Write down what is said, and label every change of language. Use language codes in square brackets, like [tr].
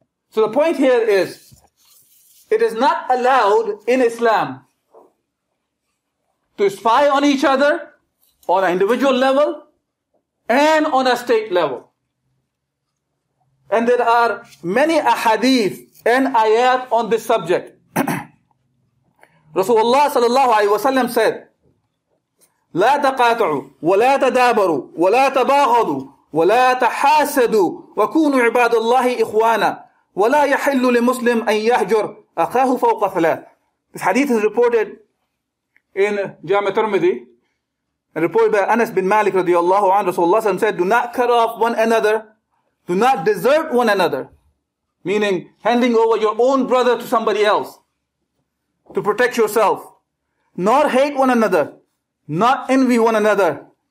[en] So the point here is, it is not allowed in Islam to spy on each other on an individual level and on a state level. And there are many ahadith and ayat on this subject. Rasulullah sallallahu alayhi wa sallam said, [ar] لا تقاطعوا ولا تدابروا ولا تباغضوا ولا تحاسدوا وكونوا عباد الله إخوانا ولا يحل لمسلم أن يهجر أخاه فوق ثلاث. [en] This hadith is reported in Jami Tirmidhi and reported by Anas bin Malik radiallahu anhu. Rasulullah said, do not cut off one another, do not desert one another, meaning handing over your own brother to somebody else to protect yourself, nor hate one another, not envy one another.